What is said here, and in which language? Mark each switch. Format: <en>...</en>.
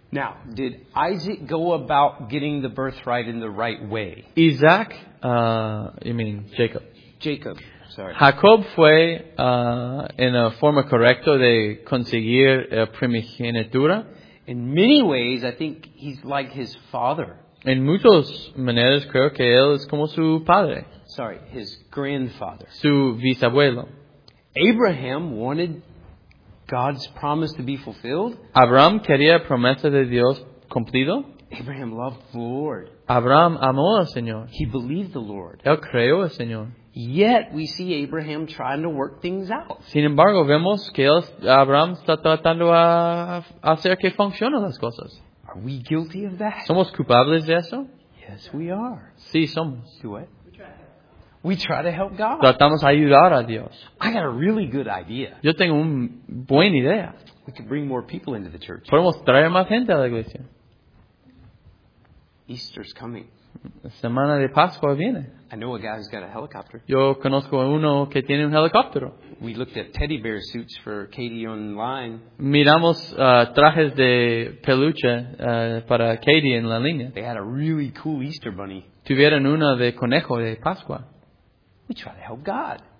<en>Now, did Isaac go about getting the birthright in the right way? Isaac, you mean Jacob? Jacob, sorry.</en> <es>Jacob fue en la forma correcta de conseguir la primogenitura.</es> <en>In many ways, I think he's like his father.</en> <es>En muchas maneras, creo que él es como su padre.</es> <en>Sorry, his grandfather.</en> <es>Su bisabuelo.</es> <en>Abraham wanted God's promise to be fulfilled.</en> <es>Abraham quería promesa de Dios cumplido.</es> <en>Abraham loved the Lord.</en> <es>Abraham amó al Señor.</es> <en>He believed the Lord.</en> <es>Él creyó al Señor.</es> <en>Yet we see Abraham trying to work things out.</en> <es>Sin embargo, vemos que Abraham está tratando a hacer que funcionen las cosas.</es> <en>Are we guilty of that?</en> <es>¿Somos culpables de eso?</es> <en>Yes, we are.</en> <es>Sí, somos.</es> <en>Do what? We try to help God.</en> <es>Tratamos de ayudar a Dios.</es> <en>I got a really good idea.</en> <es>Yo tengo una buena idea.</es> <en>We can bring more people into the church.</en> <es>Podemos traer más gente a la iglesia.</es> <en>Easter's coming.</en> <es>La semana de Pascua viene.</es> <en>I know a guy who's got a helicopter.</en> <es>Yo conozco a uno que tiene un helicóptero.</es> <en>We looked at teddy bear suits for Katie online.</en> <es>Miramos trajes de peluche para Katie en la línea.</es> <en>They had a really cool Easter bunny.</en> <es>Tuvieron una de conejo de Pascua.</es> <en>We try to help God.</en>